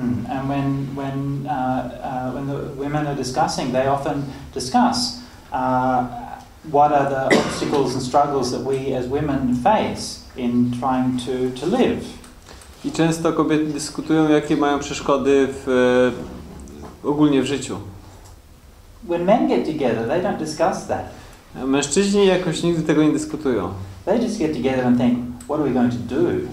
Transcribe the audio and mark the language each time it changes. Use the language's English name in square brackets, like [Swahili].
[English] And when the women are discussing, they often discuss what are the obstacles and struggles that we as women face in trying to live. [Polish] I często kobiety dyskutują, jakie mają przeszkody w ogólnie w życiu. [English] When men get together, they don't discuss that. [Polish] Mężczyźni jakoś nigdy tego nie dyskutują. [English] They just get together and think, what are we going to do?